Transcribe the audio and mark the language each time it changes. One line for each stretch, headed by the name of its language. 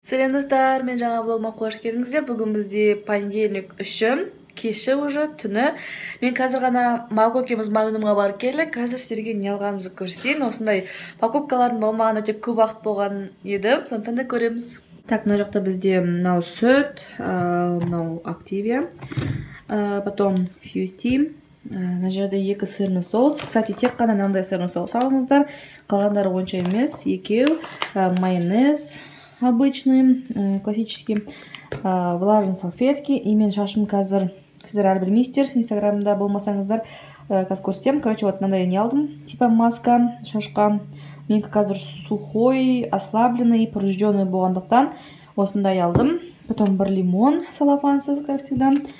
Kazakh: Сәлеметсіздер, мен жаңа блогыма қош келдіңіздер. Бүгін бізде понедельник үші, кеші уже түні. Мен қазір ғана Мако екеуміз магнумға барып келдік. Қазір сіздерге не алғанымызды көрсетейін. Осындай покупкалардың болмағанда тек көп уақыт болған еді. Сондықтан да көреміз. Так, мына жақта бізде мынау сүт, мынау Активия, потом Фьюсти. Мына жерде екі сырный соус. Кстати, тек қана мынандай сырный соус алыңыздар. Қалғандары онша емес. Екеу майонез.
Russian: Обычные, классические влажные салфетки.
Kazakh: И мен шашым қазір, сіздер әлі білмейсіздер, инстаграмда болмасаңыздар, қазір көрсетем. Короче, вот мынандай не алдым, типа маска шашқа. Менікі қазір
Russian: сухой, ослабленный, поврежденный
Kazakh: болғандықтан осындай алдым. Потом бір лимон салафансыз,
Russian: как всегда.